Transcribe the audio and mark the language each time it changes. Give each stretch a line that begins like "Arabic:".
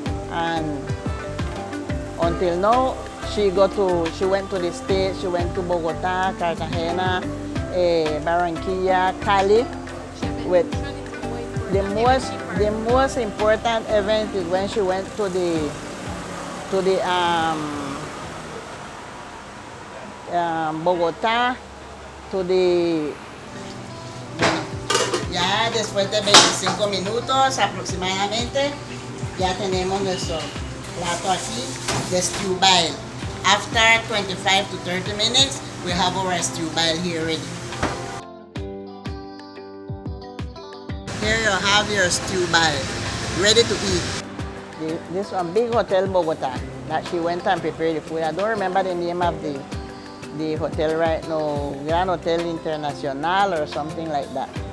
English: And until now, she went to the States, she went to Bogota, Cartagena, Barranquilla, Cali. With the most important event is when she went to the Bogota, to the
Spanish: ya después de 25 minutos aproximadamente ya tenemos nuestro plato aquí de stew bile.
English: After 25 to 30 minutes we have our stew bile here ready. Here you have your stew bile ready to eat. This one big hotel Bogota that she went and prepared the food. I don't remember the name of the hotel right now, Grand Hotel International or something like that.